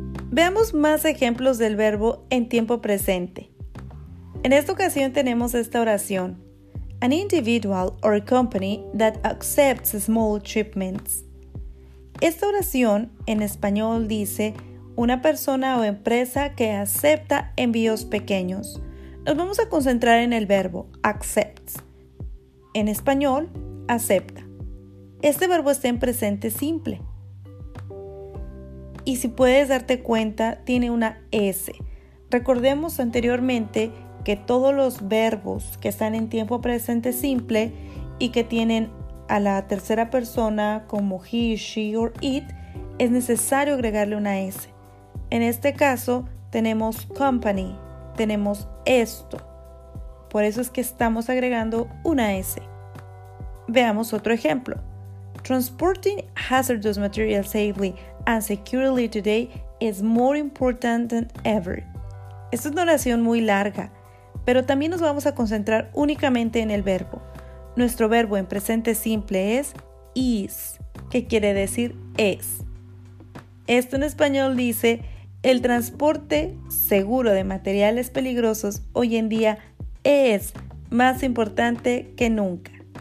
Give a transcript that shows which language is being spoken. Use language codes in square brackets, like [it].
[es] Veamos más ejemplos del verbo en tiempo presente. En esta ocasión tenemos esta oración. [en] An individual or a company that accepts small shipments. [es] Esta oración en español dice una persona o empresa que acepta envíos pequeños. Nos vamos a concentrar en el verbo accepts. En español, acepta. este verbo está en presente simple. Y si puedes darte cuenta, tiene una S. Recordemos anteriormente que todos los verbos que están en tiempo presente simple y que tienen a la tercera persona como he, she o it, es necesario agregarle una S. En este caso, tenemos company, tenemos esto. Por eso es que estamos agregando una S. Veamos otro ejemplo. [en] Transporting hazardous materials safely and securely today is more important than ever. [es] Esta es una oración muy larga, pero también nos vamos a concentrar únicamente en el verbo. Nuestro verbo en presente simple es is, que quiere decir es. Esto en español dice, el transporte seguro de materiales peligrosos hoy en día es más importante que nunca.